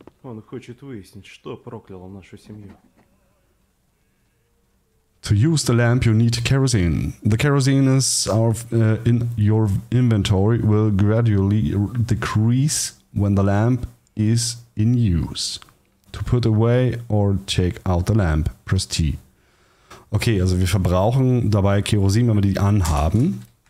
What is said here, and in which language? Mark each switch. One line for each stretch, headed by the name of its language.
Russian: Он хочет выяснить, что прокляло нашу семью.
English: To use the lamp, you need kerosene. The kerosene is our in your inventory will gradually decrease when the lamp is in use. To put away or take out the lamp, press T.
German: Okay, also wir verbrauchen dabei Kerosin, wenn wir die anhaben.